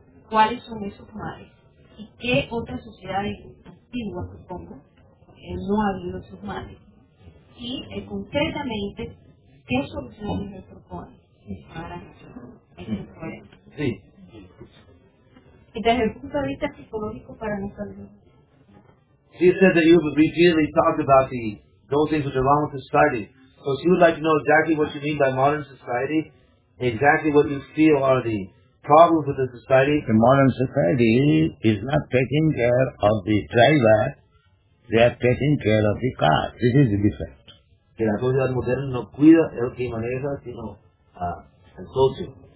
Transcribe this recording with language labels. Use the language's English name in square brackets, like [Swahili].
[Spanish] ¿Cuáles son esos males? ¿Y qué otras sociedades antiguas, supongo, no ha habido esos males? Y concretamente, ¿qué soluciones le propone para este problema? Sí. Y desde el punto de vista psicológico para nosotros. [English] She said that you have repeatedly talked about the those things which are wrong with society. So if you would like to know exactly what you mean by modern society, exactly what you feel are the problems with the society. The modern society is not taking care of the driver, they are taking care of the car. This is the defect. [Spanish] Que la sociedad moderna no cuida el que maneja, sino el socio.